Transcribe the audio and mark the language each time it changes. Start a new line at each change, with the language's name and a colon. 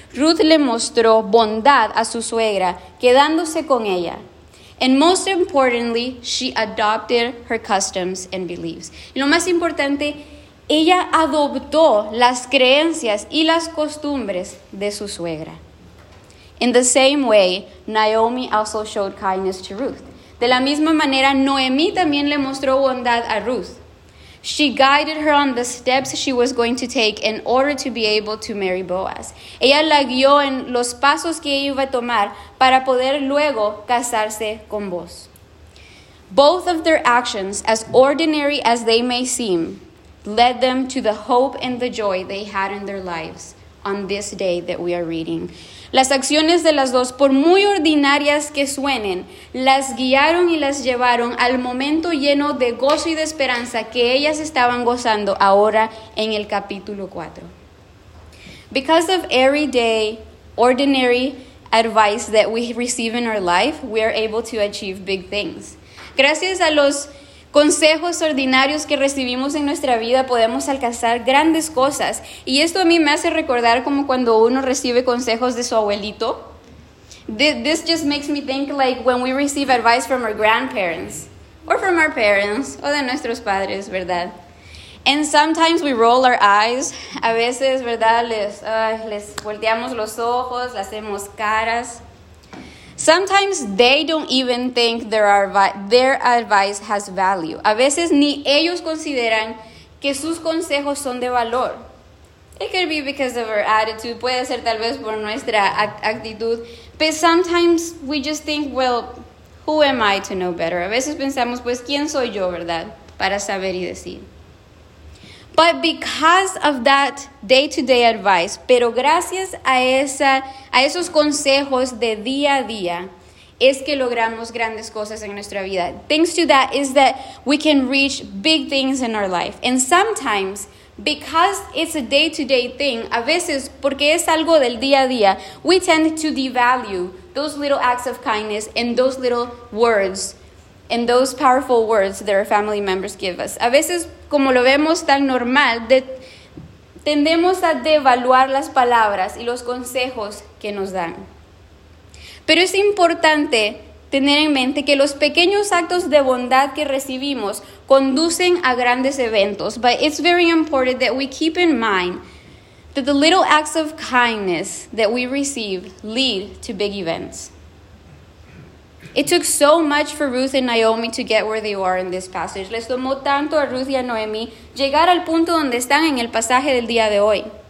Spanish: Ruth le mostró bondad a su suegra quedándose con ella.
English: And most importantly, she adopted her customs and beliefs.
Spanish: Y lo más importante, ella adoptó las creencias y las costumbres de su suegra.
English: In the same way, Naomi also showed kindness to Ruth.
Spanish: De la misma manera, Noemi también le mostró bondad a Ruth.
English: She guided her on the steps she was going to take in order to be able to marry Boaz.
Spanish: Ella la guió en los pasos que iba a tomar para poder luego casarse con Boaz.
English: Both of their actions, as ordinary as they may seem, led them to the hope and the joy they had in their lives on this day that we are reading.
Spanish: Las acciones de las dos, por muy ordinarias que suenen, las guiaron y las llevaron al momento lleno de gozo y de esperanza que ellas estaban gozando ahora en el capítulo 4.
English: Because of everyday, ordinary advice that we receive in our life, we are able to achieve big things.
Spanish: Gracias a los consejos ordinarios que recibimos en nuestra vida podemos alcanzar grandes cosas. Y esto a mí me hace recordar como cuando uno recibe consejos de su abuelito.
English: This just makes me think like when we receive advice from our grandparents or from our parents
Spanish: o de nuestros padres, ¿verdad?
English: And sometimes we roll our eyes.
Spanish: A veces, ¿verdad? Les volteamos los ojos, hacemos caras.
English: Sometimes they don't even think their advice has value.
Spanish: A veces ni ellos consideran que sus consejos son de valor.
English: It could be because of our attitude.
Spanish: Puede ser tal vez por nuestra actitud.
English: But sometimes we just think, well, who am I to know better?
Spanish: A veces pensamos, pues, ¿quién soy yo, verdad? Para saber y decir.
English: But because of that day-to-day advice,
Spanish: pero gracias a esos consejos de día a día, es que logramos grandes cosas en nuestra vida.
English: Thanks to that is that we can reach big things in our life. And sometimes, because it's a day-to-day thing,
Spanish: a veces, porque es algo del día a día,
English: we tend to devalue those little acts of kindness and those little words and those powerful words that our family members give us.
Spanish: A veces, como lo vemos tan normal, tendemos a devaluar las palabras y los consejos que nos dan. Pero es importante tener en mente que los pequeños actos de bondad que recibimos conducen a grandes eventos.
English: But it's very important that we keep in mind that the little acts of kindness that we receive lead to big events. It took so much for Ruth and Naomi to get where they are in this passage.
Spanish: Les tomó tanto a Ruth y a Noemi llegar al punto donde están en el pasaje del día de hoy.